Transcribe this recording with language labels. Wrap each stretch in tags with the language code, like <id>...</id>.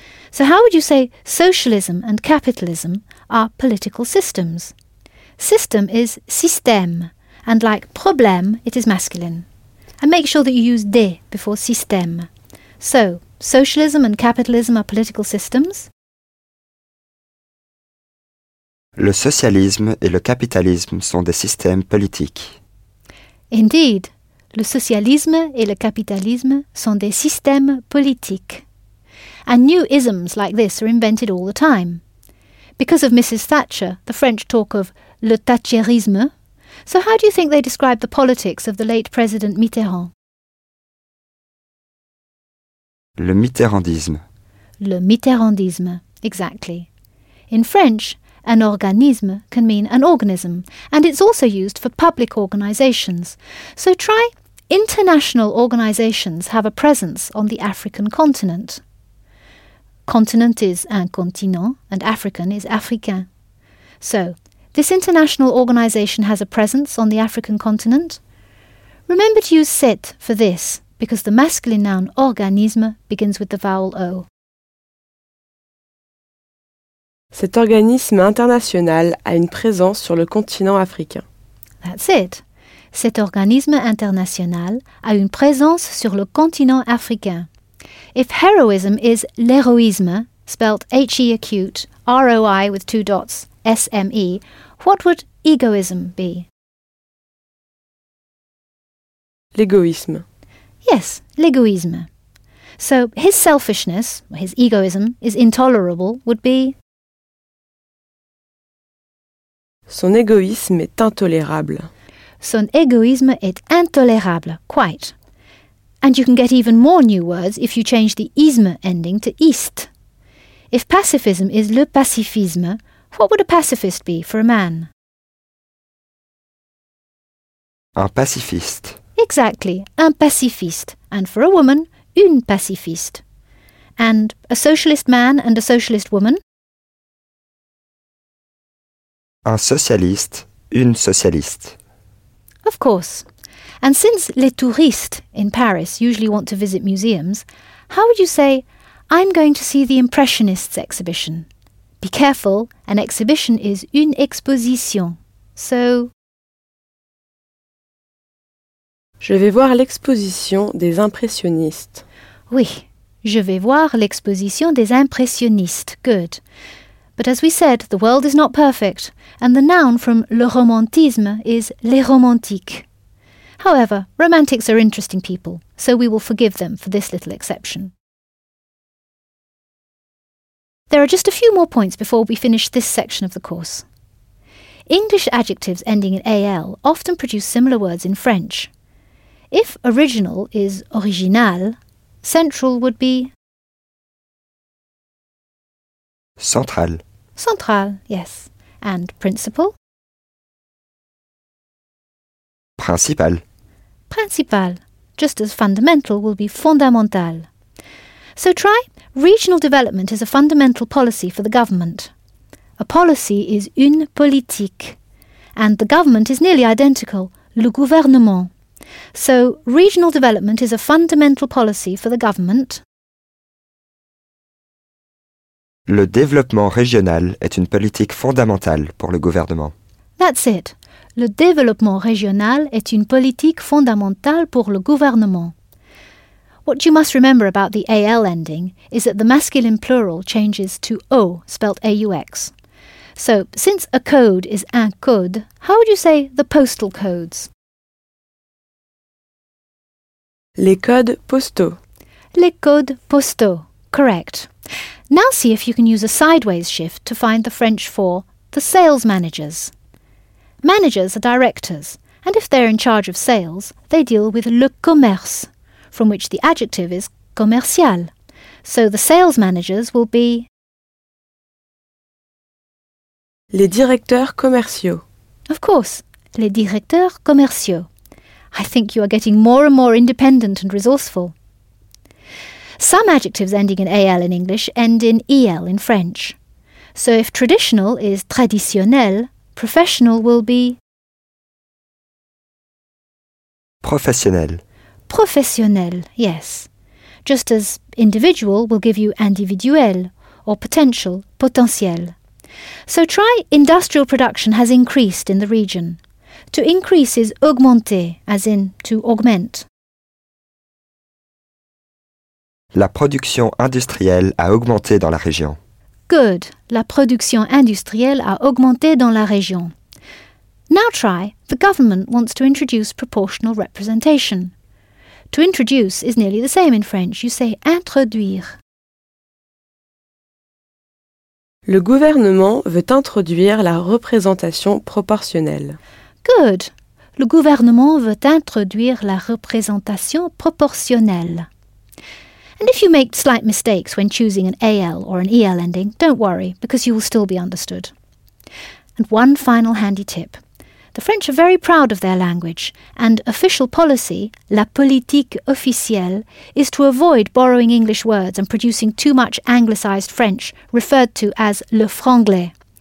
<en>So how would you say socialism and capitalism are political systems? System is système, and like problème, it is masculine. And make sure that you use des before système. So, socialism and capitalism are political systems?</en> <fr>Le socialisme et le capitalisme sont des systèmes politiques. Indeed, le socialisme et le capitalisme sont des systèmes politiques.</fr> <en>And new isms like this are invented all the time. Because of Mrs. Thatcher, the French talk of</en> <fr>le thatcherisme.</fr> <en>So how do you think they describe the politics of the late President Mitterrand?</en> <fr>Le mitterrandisme. Le mitterrandisme, exactly.</fr> <en>In French, an organisme can mean an organism, and it's also used for public organisations. So try international organisations have a presence on the African continent. Continent is</en> <fr>un continent,</fr> <en>and African is africain. So, this international organisation has a presence on the African continent. Remember to use cette for this, because the masculine noun organisme begins with the vowel O.</en> <fr>Cet organisme international a une présence sur le continent africain.</fr> <en>That's it.</en> <fr>Cet organisme international a une présence sur le continent africain.</fr> <en>If heroism is l'héroïsme, spelt H-E acute, R-O-I with two dots, S-M-E, what would egoism be?</en> <fr>L'égoïsme. Yes, l'égoïsme.</fr> <en>So his selfishness, his egoism, is intolerable, would be?</en> <fr>Son égoïsme est intolérable. Son égoïsme est intolérable, quite.</fr> <en>And you can get even more new words if you change the isme ending to ist. If pacifism is</en> <fr>le pacifisme,</fr> <en>what would a pacifist be for a man?</en> <fr>Un pacifiste. Exactly, un pacifiste.</fr> <en>And for a woman,</en> <fr>une pacifiste.</fr> <en>And a socialist man and a socialist woman?</en> <fr>Un socialiste, une socialiste.</fr> <en>Of course. And since</en> <fr>les touristes</fr> <en>in Paris usually want to visit museums, how would you say, I'm going to see the Impressionists exhibition? Be careful, an exhibition is</en> <fr>une exposition.</fr> <en>So,</en> <fr>je vais voir l'exposition des impressionnistes. Oui, je vais voir l'exposition des impressionnistes.</fr> <en>Good. But as we said, the world is not perfect, and the noun from</en> <fr>le romantisme</fr> <en>is</en> <fr>les romantiques.</fr> <en>However, romantics are interesting people, so we will forgive them for this little exception. There are just a few more points before we finish this section of the course. English adjectives ending in AL often produce similar words in French. If original is original, central would be</en> <fr>central.</fr> <en>Central, yes. And principal?</en> <fr>Principal.</fr> <en>Principal, just as fundamental will be fondamental. So try regional development is a fundamental policy for the government. A policy is</en> <fr>une politique.</fr> <en>And the government is nearly identical,</en> <fr>le gouvernement.</fr> <en>So regional development is a fundamental policy for the government.</en> <fr>Le développement régional est une politique fondamentale pour le gouvernement.</fr> <en>That's it.</en> <fr>Le développement régional est une politique fondamentale pour le gouvernement.</fr> <en>What you must remember about the AL ending is that the masculine plural changes to O, spelt A-U-X. So, since a code is</en> <fr>un code,</fr> <en>how would you say the postal codes?</en> <fr>Les codes postaux. Les codes postaux, correct.</fr> <en>Now see if you can use a sideways shift to find the French for the sales managers. Managers are directors, and if they're in charge of sales, they deal with</en> <fr>le commerce,</fr> <en>from which the adjective is commercial. So the sales managers will be</en> <fr>Les directeurs commerciaux. Of course, les directeurs commerciaux.</fr> <en>I think you are getting more and more independent and resourceful. Some adjectives ending in AL in English end in EL in French. So if traditional is traditionnel, professional will be</en> <fr>professionnel.</fr> <en>Professionnel, yes. Just as individual will give you individuel or potential, potentiel. So try industrial production has increased in the region. To increase is augmenter, as in to augment.</en> <fr>La production industrielle a augmenté dans la région.</fr> <en>Good.</en> <fr>La production industrielle a augmenté dans la région.</fr> <en>Now try, the government wants to introduce proportional representation. To introduce is nearly the same in French. You say introduire.</en> <fr>Le gouvernement veut introduire la représentation proportionnelle.</fr> <en>Good.</en> <fr>Le gouvernement veut introduire la représentation proportionnelle.</fr> <en>And if you make slight mistakes when choosing an AL or an EL ending, don't worry, because you will still be understood. And one final handy tip. The French are very proud of their language, and official policy,</en> <fr>la politique officielle,</fr> <en>is to avoid borrowing English words and producing too much anglicised French, referred to as</en> <fr>le franglais.</fr>